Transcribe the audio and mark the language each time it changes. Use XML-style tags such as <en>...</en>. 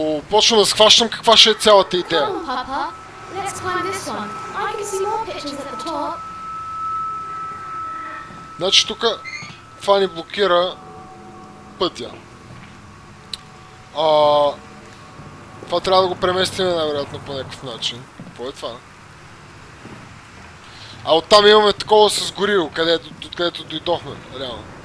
<bg>Почвам да схващам каква ще е цялата идея.</bg> <en>Come, Papa. Let's climb this one. I can see more pictures at the top.</en> <bg>Значи тук това ни блокира пътя. Това трябва да го преместиме най-вероятно по някакъв начин. Какво е това? А оттам имаме такова с гориво, откъдето дойдохме, реално.</bg>